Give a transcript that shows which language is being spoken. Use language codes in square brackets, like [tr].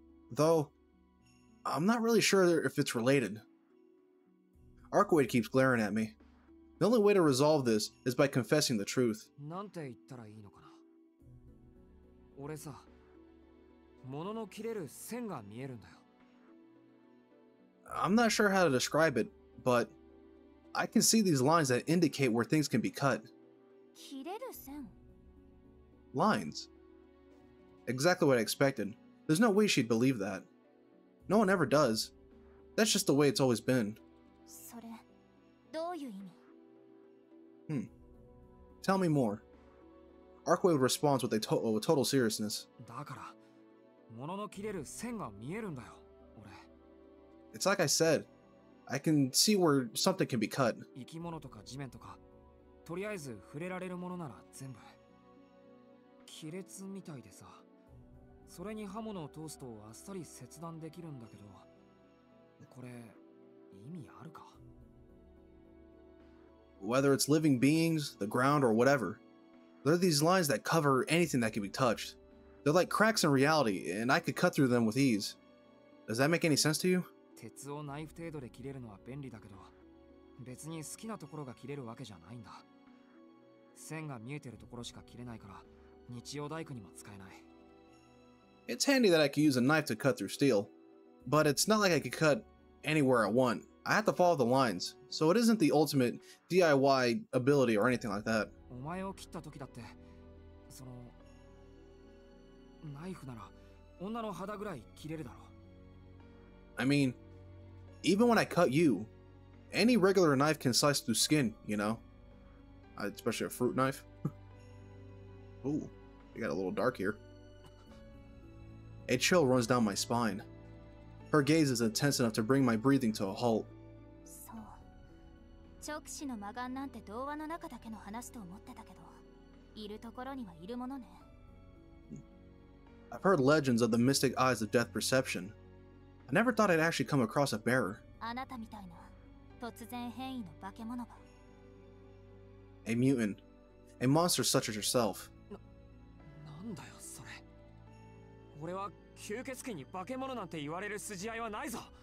[en] Though, I'm not really sure if it's related. Arkwood keeps glaring at me. The only way to resolve this is by confessing the truth. [ja] なんて言ったらいいのかな。俺さ、物の切れる線が見えるんだよ。 [en] I'm not sure how to describe it, but I can see these lines that indicate where things can be cut. [ja] 切れる線。 [en] Lines. Exactly what I expected. There's no way she'd believe that. No one ever does. That's just the way it's always been. [ja] それ、どういう意味？ [en] Tell me more. Arkway responds with a total seriousness. [ja] だから、物の切れる線が見えるんだよ、俺。 [en] It's like I said. I can see where something can be cut. [ja] 生き物とか地面とか、とりあえず触れられるものなら全部。亀裂みたいでさ。それに刃物を通すとあっさり切断できるんだけど、これ、意味あるか？ [en] Whether it's living beings, the ground, or whatever, there are these lines that cover anything that can be touched. They're like cracks in reality, and I could cut through them with ease. Does that make any sense to you? [ja] 鉄をナイフ程度で切れるのは便利だけど、別に好きなところが切れるわけじゃないんだ。線が見えてるところしか切れないから、日曜大工にも使えない。 [en] It's handy that I could use a knife to cut through steel, but it's not like I could cut anywhere I want. I have to follow the lines, so it isn't the ultimate DIY ability or anything like that. [ja] お前を切った時だって、そのナイフなら女の肌ぐらい切れるだろう。 [en] I mean, even when I cut you, any regular knife can slice through skin, you know? Especially a fruit knife. Ooh, it got a little dark here. A chill runs down my spine. Her gaze is intense enough to bring my breathing to a halt. [ja] 直視の魔眼なんて童話の中だけの話と思ってたけど、いるところにはいるものね。 [en] I've heard legends of the mystic eyes of death perception. I never thought I'd actually come across a bearer. [ja] あなたみたいな突然変異の化け物が。 [en] A mutant. A monster such as yourself. [ja] なんだよそれ。俺は吸血鬼に化け物なんて言われる筋合いはないぞ。